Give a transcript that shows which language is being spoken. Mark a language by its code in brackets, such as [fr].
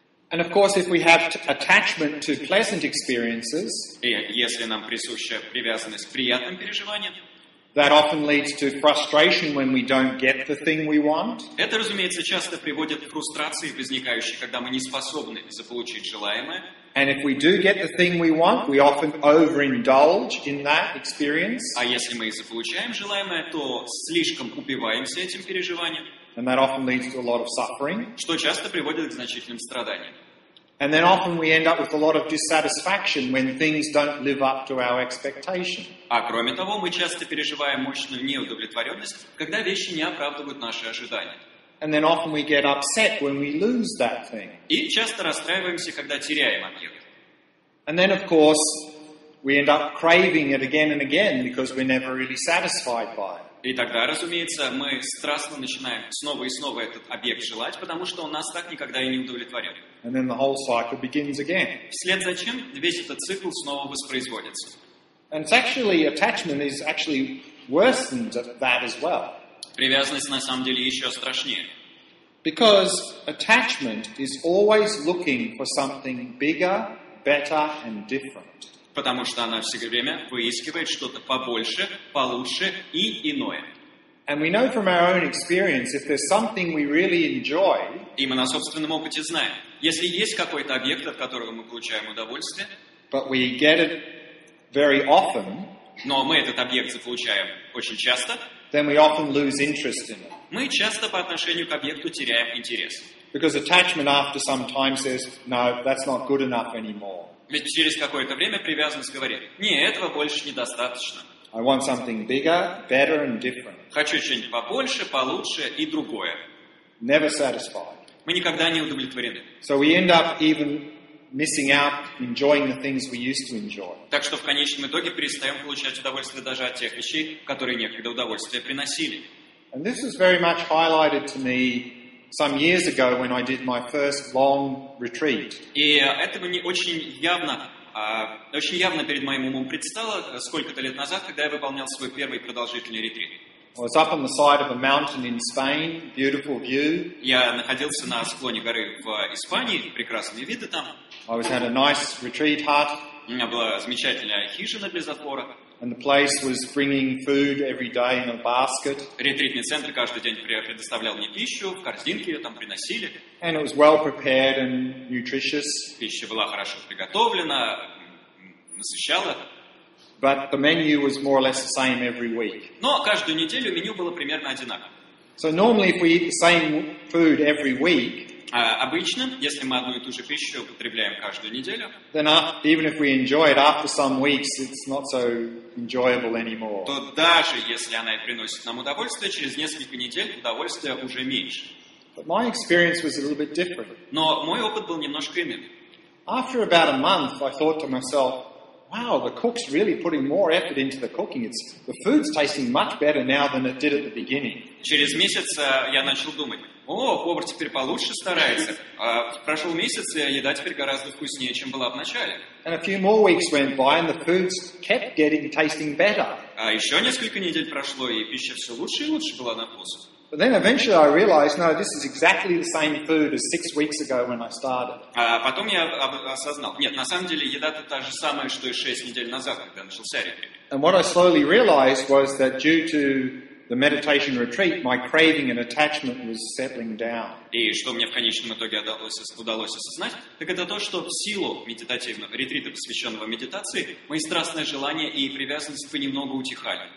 [en] And of course, if we have attachment to pleasant experiences, [ru] и если нам присуща привязанность к приятным переживаниям, [en] that often leads to frustration when we don't get the thing we want. [ru] Это, разумеется, часто приводит к фрустрации, возникающей, когда мы не способны заполучить желаемое. [en] And if we do get the thing we want, we often overindulge in that experience. [ru] А если мы и заполучаем желаемое, то слишком упиваемся этим переживанием. [en] And that often leads to a lot of suffering. [ru] Что часто приводит к значительным страданиям. [en] And then often we end up with a lot of dissatisfaction when things don't live up to our expectations. [ru] А кроме того, мы часто переживаем мощную неудовлетворенность, когда вещи не оправдывают наши ожидания. [en] And then often we get upset when we lose that thing. [ru] И часто расстраиваемся, когда теряем объект. [en] And then, of course, we end up craving it again and again because we're never really satisfied by it. [ru] И тогда, разумеется, мы страстно начинаем снова и снова этот объект желать, потому что он нас так никогда и не удовлетворил. [en] And then the whole cycle begins again. [ru] Вслед за чем весь этот цикл снова воспроизводится. [en] And it's actually, attachment is actually worse than that as well. [ru] Привязанность на самом деле еще страшнее. [en] Because attachment is always looking for something bigger, better and different. [ru] Потому что она все время выискивает что-то побольше, получше и иное. [en] And we know from our own experience, if there's something we really enjoy, [ru] и мы на собственном опыте знаем, если есть какой-то объект, от которого мы получаем удовольствие, [en] but we get it very often, [ru] но мы этот объект заполучаем очень часто, [en] then we often lose interest in it. [ru] Мы часто по отношению к объекту теряем интерес. [en] Because attachment after some time says, no, that's not good enough anymore. [ru] Ведь через какое-то время привязанность говорит, не, этого больше недостаточно. [en] I want something bigger, better and different. [ru] Хочу что-нибудь побольше, получше и другое. [en] Never satisfied. [ru] Мы никогда не удовлетворены. [en] So we end up even missing out, enjoying the things we used to enjoy. [ru] Так что в конечном итоге перестаем получать удовольствие даже от тех вещей, которые некогда удовольствие приносили. [en] And this was very much highlighted to me some years ago when I did my first long retreat. [ru] И это мне очень явно перед моим умом предстало сколько-то лет назад, когда я выполнял свой первый продолжительный ретрит. [en] I was up on the side of a mountain in Spain, beautiful view. [ru] Я находился на склоне горы в Испании, прекрасные виды там. [en] I was at a nice retreat hut. [ru] У меня была замечательная хижина без затвора. [en] And the place was bringing food every day in a basket. [ru] Ретритный центр каждый день предоставлял мне пищу, в корзинке ее там приносили. [en] And it was well prepared and nutritious. [ru] Пища была хорошо приготовлена, насыщала. [en] But the menu was more or less the same every week. [ru] Но каждую неделю меню было примерно одинаково. [en] So normally if we eat the same food every week, [ru] обычно, если мы одну и ту же пищу употребляем каждую неделю, [en] then even if we enjoy it after some weeks, it's not so enjoyable anymore. [ru] То даже если она и приносит нам удовольствие, через несколько недель удовольствие уже меньше. [en] But my experience was a little bit different. [ru] Но мой опыт был немножко иным. [en] After about a month, I thought to myself, wow, the cook's really putting more effort into the cooking. The food's tasting much better now than it did at the beginning. [ru] Через месяц я начал думать, о, повар теперь получше старается. Прошел месяц, и еда теперь гораздо вкуснее, чем была в начале. [en] And a few more weeks went by, and the foods kept getting tasting better. [ru] А еще несколько недель прошло, и пища все лучше и лучше была на вкус. [en] But then eventually I realized, no, this is exactly the same food as 6 weeks ago when I started. [ru] А потом я осознал, нет, на самом деле еда-то та же самая, что и 6 недель назад, когда начался ретрит. [en] And what I slowly realized was that due to the meditation retreat, my craving and attachment was settling down. [ru] И что мне в конечном итоге удалось осознать, так это то, что в силу медитативного ретрита, посвященного медитации, мои страстные желания и привязанность понемногу утихали.